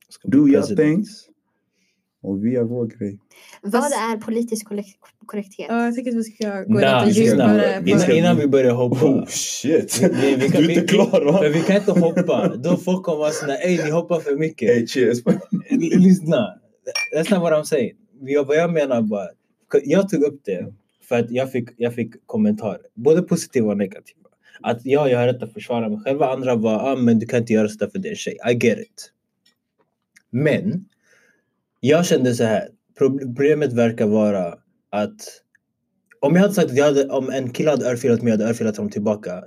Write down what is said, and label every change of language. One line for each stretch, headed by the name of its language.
English: Do your things.
Swedish: Och vi har vår grej. Vad är politisk korrekthet? Jag tycker att vi ska gå in lite djupare. Innan vi börjar hoppa.
English: Oh shit,
Swedish: du är inte klar va? Men vi kan inte hoppa. Då folk kommer vara sådana, ej ni hoppar för mycket.
English: Hey, cheers.
Swedish: Lyssna,
English: that's not what I'm saying.
Swedish: Vad jag menar bara, jag tog upp det för att jag fick kommentarer. Både positiva och negativa. Att ja, jag har rätt att försvara mig själv. Andra var, men du kan inte göra sådär för din tjej.
English: I get it.
Swedish: Men jag kände så här, problemet verkar vara att om jag hade sagt att om en kille hade örfilat mig, jag hade örfilat dem tillbaka.